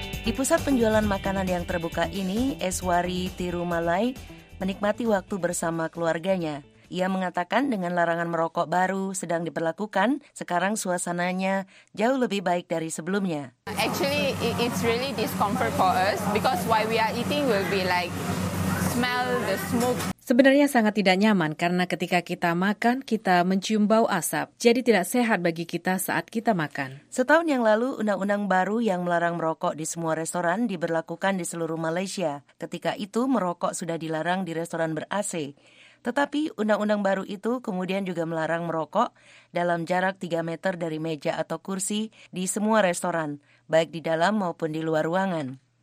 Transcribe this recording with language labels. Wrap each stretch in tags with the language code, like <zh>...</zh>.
<id>Di pusat penjualan makanan yang terbuka ini, Eswari Tirumalai menikmati waktu bersama keluarganya. Ia mengatakan dengan larangan merokok baru sedang diberlakukan, sekarang suasananya jauh lebih baik dari sebelumnya.</id> <en>Actually, it's really discomfort for us because while we are eating, we'll be like smell the smoke.</en> <id>Sebenarnya sangat tidak nyaman karena ketika kita makan, kita mencium bau asap. Jadi tidak sehat bagi kita saat kita makan. Setahun yang lalu, undang-undang baru yang melarang merokok di semua restoran diberlakukan di seluruh Malaysia. Ketika itu, merokok sudah dilarang di restoran ber-AC. Tetapi undang-undang baru itu kemudian juga melarang merokok dalam jarak 3 meter dari meja atau kursi di semua restoran, baik di dalam maupun di luar ruangan.</id>